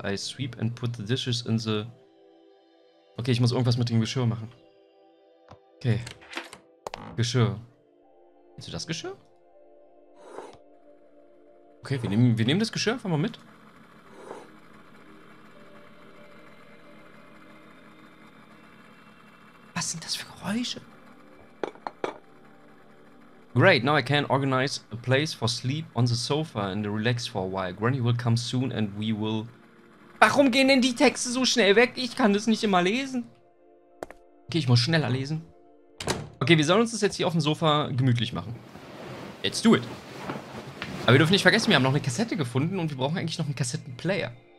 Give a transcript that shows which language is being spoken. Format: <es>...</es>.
<en>I sweep and put the dishes in the...</en> <de>Okay, ich muss irgendwas mit dem Geschirr machen. Okay. Geschirr. Kennst du das Geschirr? Okay, wir nehmen das Geschirr einfach mal mit. Was sind das für Geräusche?</de> <en>Great, now I can organize a place for sleep on the sofa and relax for a while. Granny will come soon and we will...</en> <de>Warum gehen denn die Texte so schnell weg? Ich kann das nicht immer lesen. Okay, ich muss schneller lesen. Okay, wir sollen uns das jetzt hier auf dem Sofa gemütlich machen.</de> <en>Let's do it.</en> <de>Aber wir dürfen nicht vergessen, wir haben noch eine Kassette gefunden und wir brauchen eigentlich noch einen Kassettenplayer.</de>